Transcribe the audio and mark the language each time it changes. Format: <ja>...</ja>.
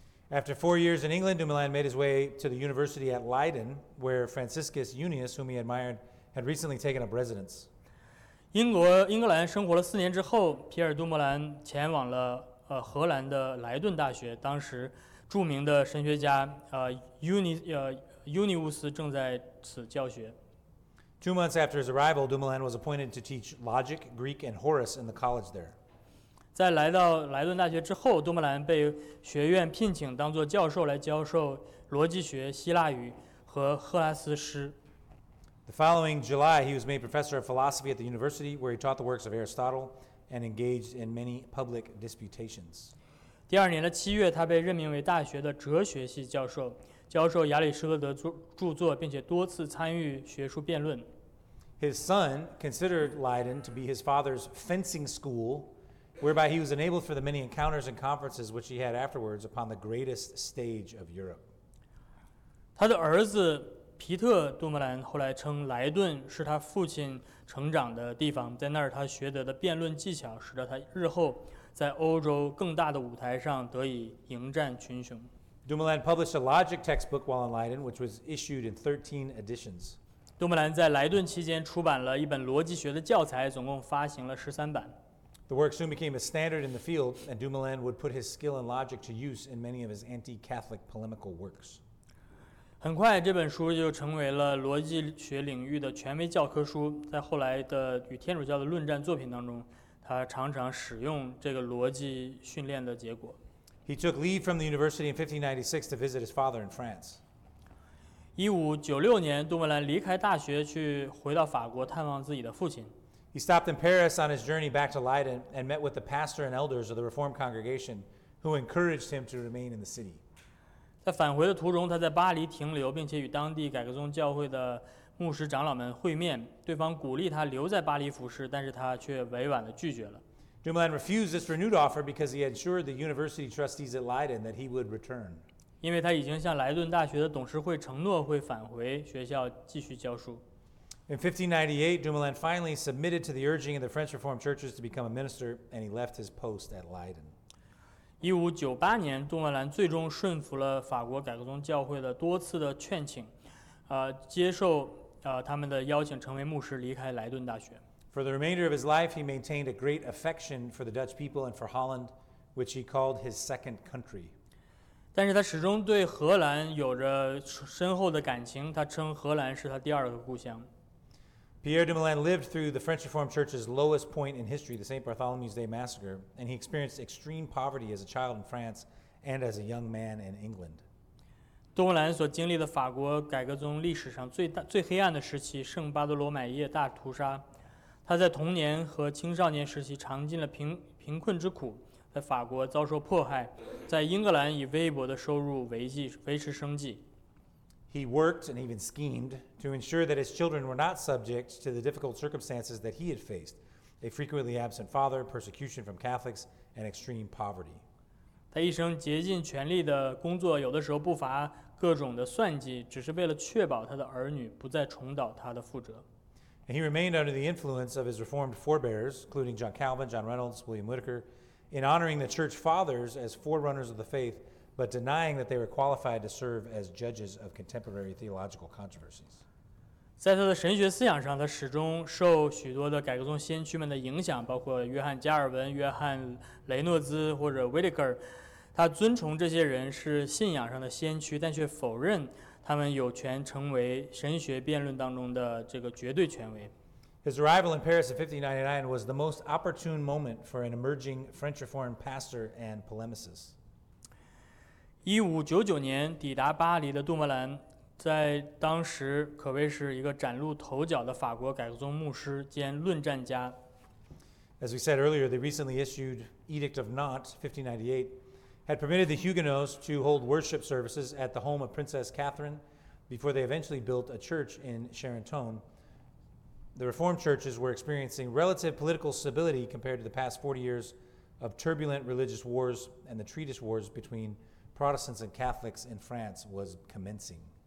<en>After 4 years in England, Dumoulin made his way to the university at Leiden, where Franciscus Unius, whom he admired, had recently taken up residence.</en> <zh>英格兰生活了4年之后，皮尔·杜莫兰前往了荷兰的莱顿大学，当时著名的神学家尤尼乌斯正在此教学。</zh> <en>2 months after his arrival, Dumoulin was appointed to teach logic, Greek, and Horace in the college there.</en> <zh>在来到莱顿大学之后，杜莫兰被学院聘请当做教授来教授逻辑学、希腊语和赫拉斯诗。</zh> <en>The following July, he was made professor of philosophy at the university, where he taught the works of Aristotle and engaged in many public disputations.</en> <zh>第二年的七月，他被任命为大学的哲学系教授，教授亚里士多德著作，并且多次参与学术辩论。</zh> <en>His son considered Leiden to be his father's fencing school, whereby he was enabled for the many encounters and conferences which he had afterwards upon the greatest stage of Europe.</en> <zh>他的儿子皮特·杜莫兰后来称莱顿是他父亲成长的地方，在那儿他学得的辩论技巧使得他日后在欧洲更大的舞台上得以迎战群雄。</zh> <en>Dumoulin published a logic textbook while in Leiden, which was issued in 13 editions.</en> <zh>杜莫兰在莱顿期间出版了一本逻辑学的教材，总共发行了13版。</zh> <en>The work soon became a standard in the field, and Dumoulin would put his skill in logic to use in many of his anti-Catholic polemical works.</en> <zh>很快，这本书就成为了逻辑学领域的权威教科书。在后来的与天主教的论战作品当中，他常常使用这个逻辑训练的结果。</zh> <en>He took leave from the university in 1596 to visit his father in France.</en> <zh>1596年，杜莫兰离开大学去回到法国探望自己的父亲。</zh> <en>He stopped in Paris on his journey back to Leiden and met with the pastor and elders of the Reformed congregation, who encouraged him to remain in the city.</en> <zh>在返回的途中，他在巴黎停留，并且与当地改革宗教会的牧师长老们会面。对方鼓励他留在巴黎服侍，但是他却委婉地拒绝了。</zh> <en>Dumoulin refused this renewed offer because he had assured the university trustees at Leiden that he would return.</en> <zh>因为他已经向莱顿大学的董事会承诺会返回学校继续教书。</zh> <en>In 1598, Dumoulin finally submitted to the urging of the French Reformed churches to become a minister, and he left his post at Leiden.</en> <zh>1598年，杜莫兰最终顺服了法国改革宗教会的多次的劝请，接受他们的邀请成为牧师，离开莱顿大学。</zh> <en>For the remainder of his life, he maintained a great affection for the Dutch people and for Holland, which he called his second country.</en> <zh>但是他始终对荷兰有着深厚的感情，他称荷兰是他第二个故乡。</zh> <en>Pierre Dumoulin lived through the French Reformed Church's lowest point in history, the St. Bartholomew's Day Massacre, and he experienced extreme poverty as a child in France and as a young man in England.</en> <zh>杜莫兰所经历的法国改革宗历史上最黑暗的时期，圣巴德罗买耶大屠杀。他在童年和青少年时期尝尽了贫困之苦，在法国遭受迫害，在英格兰以微薄的收入维持生计。</zh> <en>He worked and even schemed to ensure that his children were not subject to the difficult circumstances that he had faced, a frequently absent father, persecution from Catholics, and extreme poverty.</en> <zh>他一生竭尽全力的工作，有的时候不乏各种的算计，只是为了确保他的儿女不再重蹈他的覆辙。</zh> <en>And he remained under the influence of his reformed forebears, including John Calvin, John Reynolds, William Whitaker, in honoring the church fathers as forerunners of the faith, but denying that they were qualified to serve as judges of contemporary theological controversies.</en> <zh>在他的神学思想上，他始终受许多的改革宗先驱们的影响，包括约翰加尔文、约翰雷诺兹或者 Whitaker。他尊崇这些人是信仰上的先驱，但却否认他们有权成为神学辩论当中的这个绝对权威。</zh> <en>His arrival in Paris in 1599 was the most opportune moment for an emerging French Reformed pastor and polemicist.</en> <zh>1599年抵达巴黎的杜莫兰，在当时可谓是一个崭露头角的法国改革宗牧师兼论战家。</zh> <en>As we said earlier, the recently issued Edict of Nantes, 1598,had permitted the Huguenots to hold worship services at the home of Princess Catherine before they eventually built a church in Charenton. The Reformed churches were experiencing relative political stability compared to the past 40 years of turbulent religious wars, and the treatise wars between Protestants and Catholics in France was commencing.</en>